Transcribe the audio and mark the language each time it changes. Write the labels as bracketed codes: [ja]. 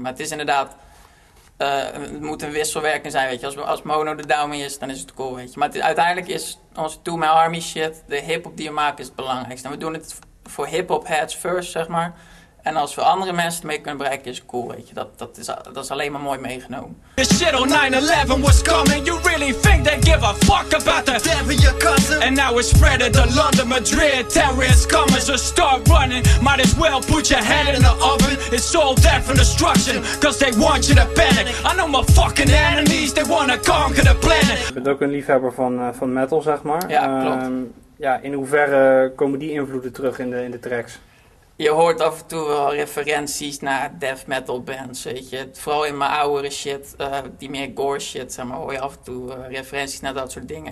[nl] Maar het is inderdaad, het moet een wisselwerking zijn, weet je. Als Mono de down mee is, dan is het cool, weet je. Maar uiteindelijk is onze To My Army shit, de hiphop die we maken, is het belangrijkste. En we doen het voor hiphop heads first, zeg maar. En als we andere mensen ermee kunnen bereiken, is cool, weet je. Dat is alleen maar mooi meegenomen. [en] This shit on 9/11 was coming. You really think they give a fuck about the devil, your cousin? And now it's spreading to London, Madrid. Terrorists coming, so start running. Might as well put your head in the oven. It's all death and destruction, cause they want you to panic. I know my fucking enemies, they wanna conquer the planet. [nl] Je bent ook een liefhebber van metal, zeg maar. Ja, klopt. Ja, in hoeverre komen die invloeden terug in de tracks? Je hoort af en toe wel referenties naar death metal bands, weet je. Vooral in mijn oudere shit, die meer gore shit, zeg maar, hoor je af en toe referenties naar dat soort dingen.